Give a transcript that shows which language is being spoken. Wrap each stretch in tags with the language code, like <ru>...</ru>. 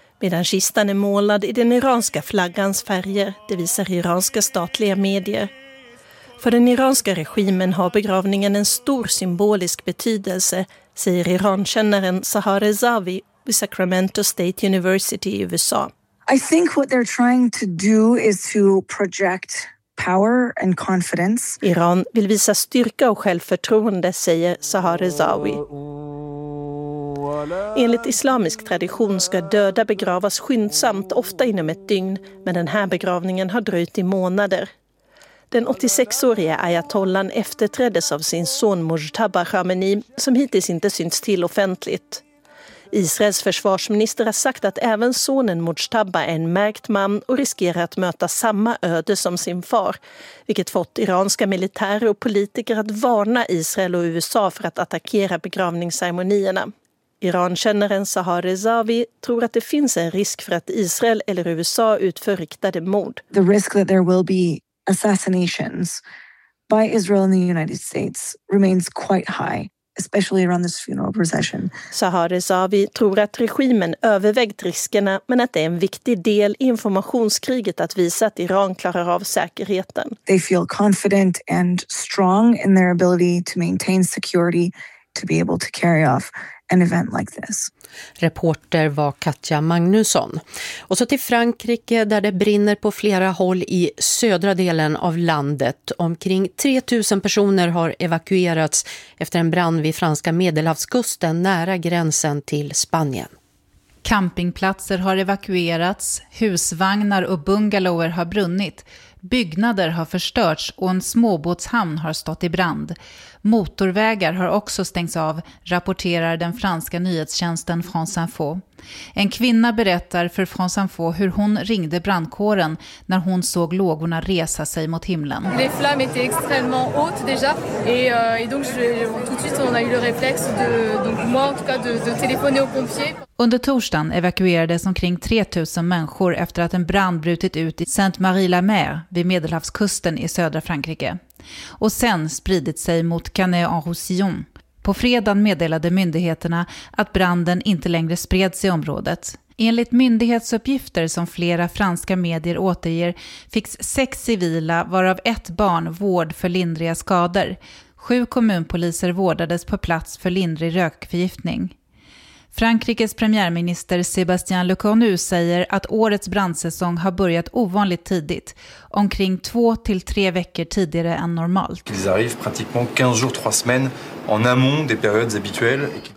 <sv>Medan kistan är målad i den iranska flaggans färger, det visar iranska statliga medier. För den iranska regimen har begravningen en stor symbolisk betydelse, säger Iran-kännaren Sahar Ezavi vid Sacramento State University i USA.</sv> <en>I think what they're trying to do is to project power and confidence.</en> <sv>Iran vill visa styrka och självförtroende, säger Sahar Ezavi. Enligt islamisk tradition ska döda begravas skyndsamt, ofta inom ett dygn, men den här begravningen har dröjt i månader. Den 86-årige ayatollan efterträddes av sin son Mojtaba Khamenei, som hittills inte syns till offentligt. Israels försvarsminister har sagt att även sonen Mojtaba är en märkt man och riskerar att möta samma öde som sin far, vilket fått iranska militärer och politiker att varna Israel och USA för att attackera begravningsceremonierna. Iran-kännaren Sahar Ezavi tror att det finns en risk för att Israel eller USA utför riktade mord.</sv> <en>The risk that there will be assassinations by Israel and the United States remains quite high. Especially around this funeral procession.</en> <sv>Sahar Ezavi tror att regimen övervägt riskerna, men att det är en viktig del i informationskriget att visa att Iran klarar av säkerheten.</sv> <en>They feel confident and strong in their ability to maintain security to be able to carry off an event like this.</en> <sv>Reporter var Katja Magnusson. Och så till Frankrike där det brinner på flera håll i södra delen av landet. Omkring 3000 personer har evakuerats efter en brand vid franska medelhavskusten nära gränsen till Spanien. Campingplatser har evakuerats, husvagnar och bungalower har brunnit, byggnader har förstörts och en småbåtshamn har stått i brand. Motorvägar har också stängts av, rapporterar den franska nyhetstjänsten France Info. En kvinna berättar för Frans Anfå hur hon ringde brandkåren när hon såg lågorna resa sig mot himlen.</sv> <fr>Les flammes étaient extrêmement hautes déjà et donc tout de suite on a eu le réflexe de donc moi en tout cas de téléphoner aux pompiers.</fr> <sv>Under torsdagen evakuerades omkring 3000 människor efter att en brand brutit ut i Sainte-Marie-la-Mer vid Medelhavskusten i södra Frankrike och sen spridit sig mot Canet-en-Roussillon. På fredagen meddelade myndigheterna att branden inte längre spreds i området. Enligt myndighetsuppgifter som flera franska medier återger fick 6 civila, varav 1 barn, vård för lindriga skador. 7 kommunpoliser vårdades på plats för lindrig rökförgiftning. Frankrikes premiärminister Sébastien Lecornu säger att årets brandsäsong har börjat ovanligt tidigt, omkring 2-3 veckor tidigare än normalt.</sv> <fr>Ils arrivent pratiquement 15 jours 3 semaines en amont des périodes habituelles.</fr>